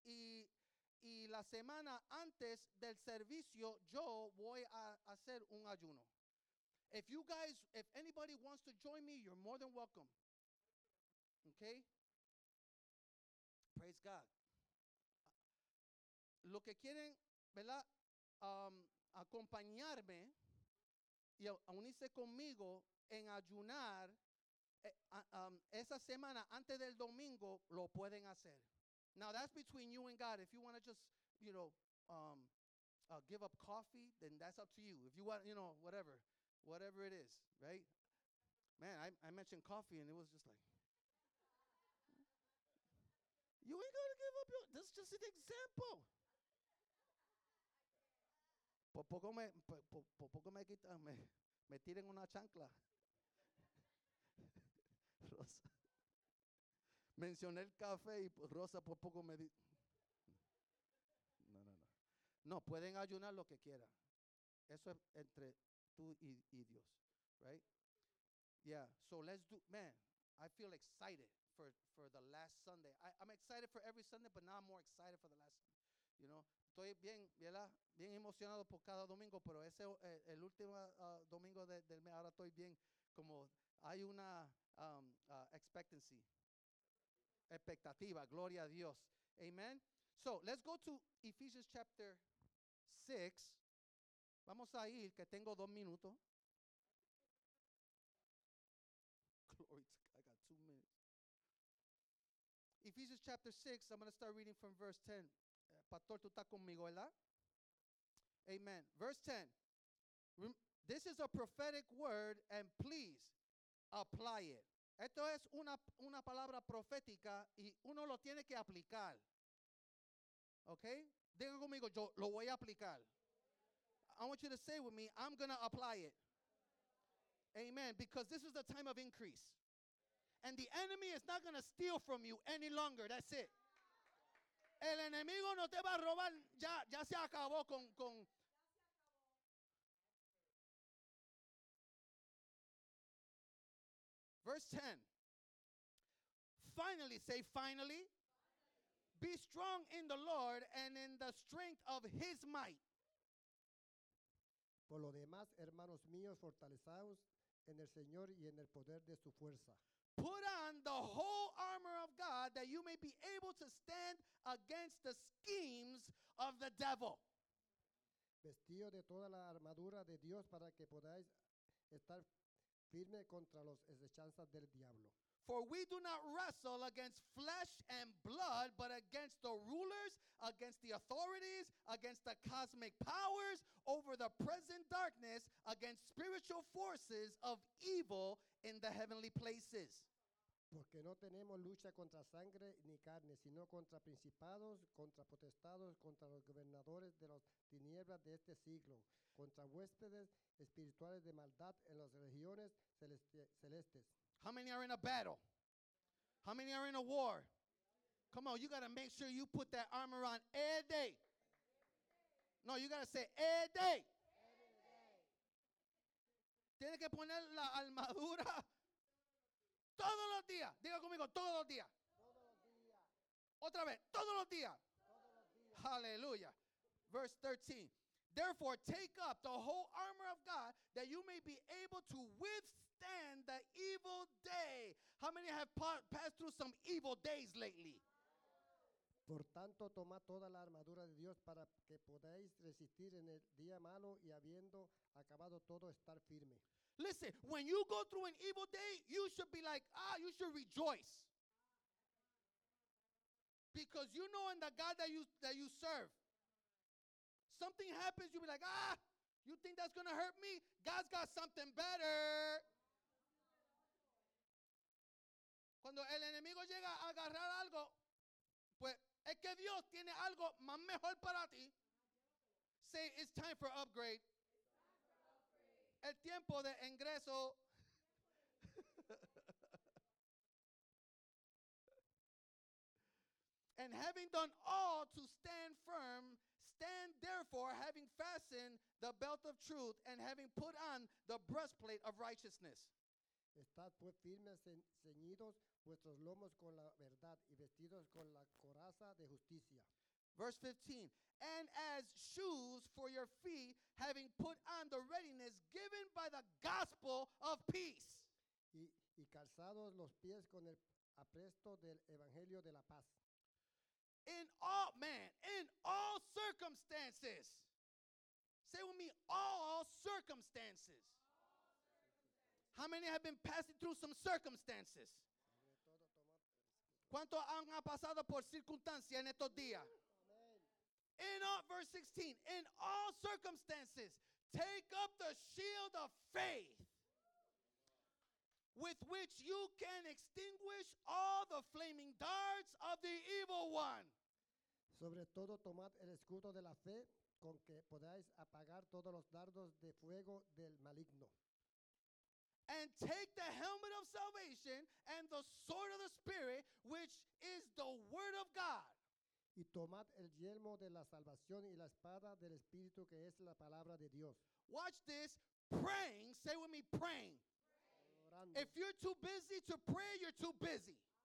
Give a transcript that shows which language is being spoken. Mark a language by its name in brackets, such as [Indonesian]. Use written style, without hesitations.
[Spanish] Y la semana antes del servicio, yo voy a hacer un ayuno. [English] If anybody wants to join me, you're more than welcome. Okay? Praise God. [Spanish] Lo que quieren, ¿verdad? Acompañarme. Y unirse conmigo en ayunar esa semana antes del domingo, lo pueden hacer. [English] Now, that's between you and God. If you want to just, you know, give up coffee, then that's up to you. If you want, you know, whatever it is, right? Man, I mentioned coffee, and it was just like, you ain't going to give up your, this is just an example. [Spanish] Me tiren una chancla. Rosa. Mencioné el café y Rosa por poco me dice. No. No, pueden ayunar lo que quieran. Eso es entre tú y Dios. [English] Right? Yeah. So let's do, man, I feel excited for the last Sunday. I'm excited for every Sunday, but now I'm more excited for the last Sunday. You know? [Spanish] Estoy bien, ¿verdad? Bien emocionado por cada domingo, pero ese el último domingo del mes, ahora estoy bien, como hay una expectancy. Expectativa, gloria a Dios. [English] Amen. So, let's go to Ephesians chapter 6. [Spanish] Vamos a ir, que tengo 2 minutos. [English] Glory to God, I got 2 minutes. Ephesians chapter 6, I'm going to start reading from verse 10. Pastor, [Spanish] tú estás conmigo, ¿verdad? [English] Amen. Verse 10. This is a prophetic word, and please apply it. [Spanish] Esto es una palabra profética, y uno lo tiene que aplicar. Okay? Diga conmigo, yo lo voy a aplicar. [English] I want you to say with me, I'm going to apply it. Amen. Because this is the time of increase. And the enemy is not going to steal from you any longer. That's it. [Spanish] El enemigo no te va a robar, ya se acabó con. [English] Verse 10. Finally, be strong in the Lord and in the strength of his might. [Spanish] Por lo demás, hermanos míos, fortalezaos en el Señor y en el poder de su fuerza. [English] Put on the whole armor of God that you may be able to stand against the schemes of the devil. [Spanish] Vestido de toda la armadura de Dios para que podáis estar firme contra los hechanzas del diablo. [English] For we do not wrestle against flesh and blood, but against the rulers, against the authorities, against the cosmic powers, over the present darkness, against spiritual forces of evil in the heavenly places. [Spanish] Porque no tenemos lucha contra sangre ni carne, sino contra principados, contra potestados, contra los gobernadores de las tinieblas de este siglo, contra huéspedes espirituales de maldad en las regiones celestes. [English] How many are in a battle? How many are in a war? Come on, you got to make sure you put that armor on every day. No, you got to say every day. [Spanish] Tiene que poner la armadura todos los días. Diga conmigo, todos los días. Otra vez, todos los días. Hallelujah. Verse 13. [English] Therefore, take up the whole armor of God that you may be able to withstand the evil day. How many have passed through some evil days lately? [Spanish] Por tanto, tomad toda la armadura de Dios para que podáis resistir en el día malo y habiendo acabado todo, estar firme. [English] Listen, when you go through an evil day, you should be like, you should rejoice. Because you know in the God that you serve, something happens, you'll be like, you think that's going to hurt me? God's got something better. [Spanish] Cuando el enemigo llega a agarrar algo, pues es que Dios tiene algo más mejor para ti. [English] Say, it's time for upgrade. [Spanish] El tiempo de ingreso. [English] And having done all to stand firm, stand therefore, having fastened the belt of truth and having put on the breastplate of righteousness. [Spanish] Estad pues firmes, ceñidos vuestros lomos con la verdad y vestidos con la coraza de justicia. [English] Verse 15, and as shoes for your feet, having put on the readiness given by the gospel of peace. [Spanish] Y calzados los pies con el apresto del evangelio de la paz. [English] In all circumstances. Say with me, all circumstances. How many have been passing through some circumstances? [Spanish] ¿Cuánto han pasado por circunstancias en estos días? [English] Verse 16, in all circumstances, take up the shield of faith with which you can extinguish all the flaming darts of the evil one. [Spanish] Sobre todo, tomad el escudo de la fe con que podáis apagar todos los dardos de fuego del maligno. [English] And take the helmet of salvation and the sword of the Spirit, which is the word of God. [Spanish] Y tomad el yelmo de la salvación y la espada del Espíritu, que es la palabra de Dios. [English] Watch this, praying, say with me, praying. Pray. If you're too busy to pray, you're too busy.